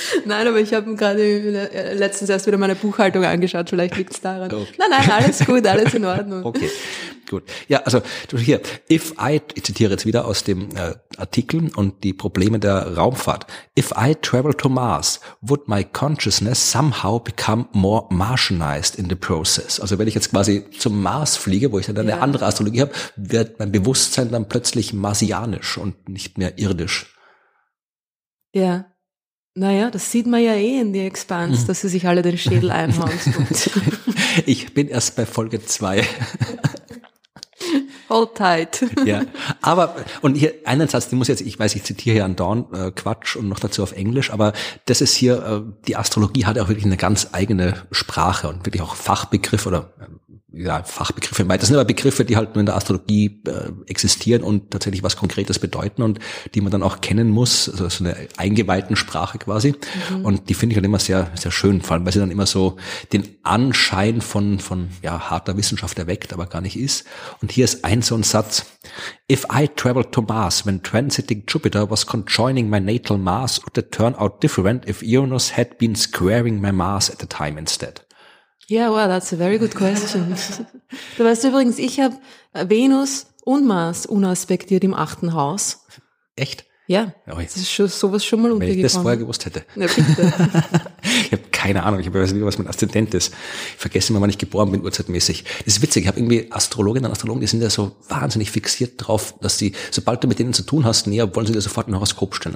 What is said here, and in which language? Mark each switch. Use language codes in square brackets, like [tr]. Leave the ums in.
[de] Nein, aber ich habe gerade äh, letztens erst wieder meine Buchhaltung angeschaut, vielleicht liegt es daran. Okay. Nein, nein, alles gut, alles in Ordnung. Okay, gut. Ja, also hier, [en] if I, [de] ich zitiere jetzt wieder aus dem äh, Artikel und die Probleme der Raumfahrt. [en] If I travel to Mars, would my consciousness somehow become more Martianized in the process? [de] Also wenn ich jetzt quasi zum Mars fliege, wo ich dann eine Ja. andere Astrologie habe, wird mein Bewusstsein dann plötzlich marsianisch und nicht mehr irdisch. Ja. Naja, das sieht man ja eh in The Expanse, dass sie sich alle den Schädel einhauen. Ich bin erst bei Folge zwei. [en] Hold tight. [de] ja, aber und hier einen Satz, den muss ich jetzt, ich weiß, ich zitiere hier an Dorn äh, Quatsch und noch dazu auf Englisch, aber das ist hier äh, die Astrologie hat ja auch wirklich eine ganz eigene Sprache und wirklich auch Fachbegriffe oder ähm, ja, Fachbegriffe. im Weitesten Sinne, aber Begriffe, die halt nur in der Astrologie äh, existieren und tatsächlich was Konkretes bedeuten und die man dann auch kennen muss, also so eine eingeweihten Sprache quasi. Und die finde ich halt immer sehr, sehr schön, vor allem, weil sie dann immer so den Anschein von, von ja, harter Wissenschaft erweckt, aber gar nicht ist. Und hier ist ein so ein Satz. [en] If I traveled to Mars when transiting Jupiter was conjoining my natal Mars, would it turn out different if Uranus had been squaring my Mars at the time instead? Ja, wow, that's a very good question. [de] du weißt übrigens, ich habe Venus und Mars unaspektiert im achten Haus. Echt? Ja, Ui. das ist schon, sowas schon mal Wenn ich das vorher gewusst hätte. Na bitte. Ich habe keine Ahnung, ich hab- ich weiß nicht, was mein Aszendent ist. Ich vergesse immer, wann ich geboren bin, urzeitmäßig. Das ist witzig, ich habe irgendwie Astrologinnen und Astrologen, die sind ja so wahnsinnig fixiert drauf, dass sie, sobald du mit denen zu tun hast, näher, wollen sie dir sofort ein Horoskop stellen.